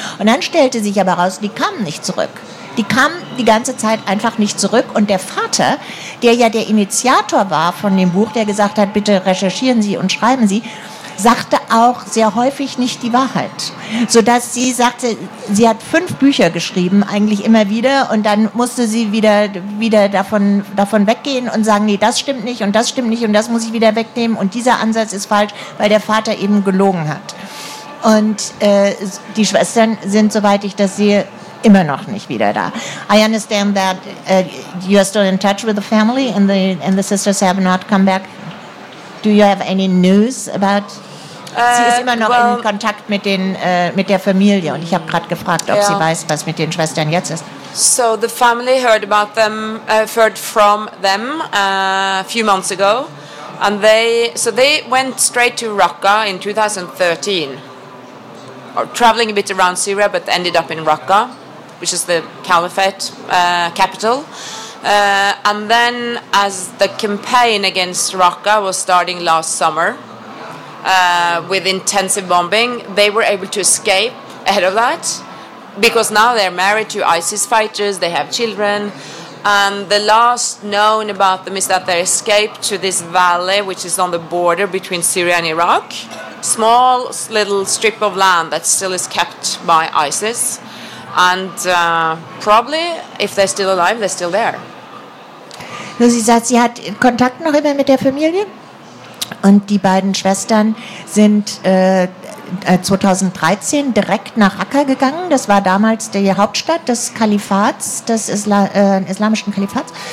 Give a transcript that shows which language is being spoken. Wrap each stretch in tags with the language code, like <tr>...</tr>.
<de>Und dann stellte sich aber raus, die kamen nicht zurück. Die kam die ganze Zeit einfach nicht zurück und der Vater, der ja der Initiator war von dem Buch, der gesagt hat, bitte recherchieren Sie und schreiben Sie, sagte auch sehr häufig nicht die Wahrheit, sodass sie sagte, sie hat 5 Bücher geschrieben, eigentlich immer wieder und dann musste sie wieder davon weggehen und sagen, nee, das stimmt nicht und das stimmt nicht und das muss ich wieder wegnehmen und dieser Ansatz ist falsch, weil der Vater eben gelogen hat. Und die Schwestern sind, soweit ich das sehe, immer noch nicht wieder da.</de> <en>I understand that you are still in touch with the family and the sisters have not come back. Do you have any news about?</en> <de>Sie ist immer noch in Kontakt mit der Familie und ich habe gerade gefragt, ob sie weiß, was mit den Schwestern jetzt ist.</de> <en>So the family heard about them, heard from them a few months ago, and they went straight to Raqqa in 2013, or traveling a bit around Syria, but ended up in Raqqa, which is the caliphate capital. And then as the campaign against Raqqa was starting last summer with intensive bombing, they were able to escape ahead of that because now they're married to ISIS fighters, they have children. And the last known about them is that they escaped to this valley, which is on the border between Syria and Iraq, small little strip of land that still is kept by ISIS. And probably, if they're still alive, they're still there.</en> <de>Nur sie sagt, sie hat Kontakt noch immer mit der Familie. Und die beiden Schwestern sind 2013 direkt nach Raqqa gegangen. Das war damals die Hauptstadt des Kalifats, des islamischen Kalifats.</de>